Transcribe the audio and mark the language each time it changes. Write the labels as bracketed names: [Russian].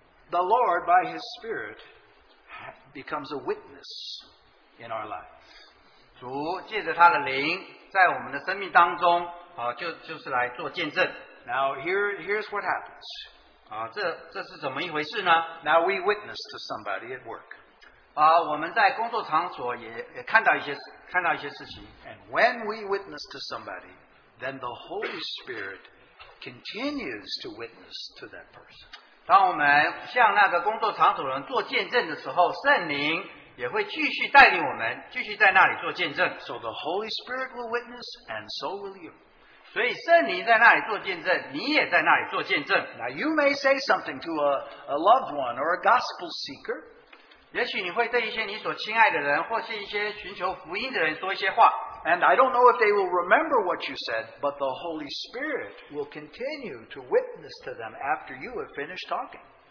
[English] the Lord by His Spirit becomes a witness in our lives. [Chinese] 主借着他的灵在我们的生命当中，就是来做见证。 [English] Now, here's what happens. [Chinese] 这是怎么一回事呢？ [English] Now we witness to somebody at work. [Chinese] 我们在工作场所也看到一些事情。 [English] And when we witness to somebody, then the Holy Spirit continues to witness to that person. [Chinese] 当我们向那个工作场所人做见证的时候, 圣灵也会继续带领我们, 继续在那里做见证。 [English] So the Holy Spirit will witness, and so will you. [Chinese] 所以圣灵在那里做见证, 你也在那里做见证。 [English] Now you may say something to a loved one or a gospel seeker. [Chinese] 也许你会对一些你所亲爱的人, 或是一些寻求福音的人说一些话。 [English] And I don't know if they will remember what you said, but the Holy Spirit will continue to witness to them after you have finished talking.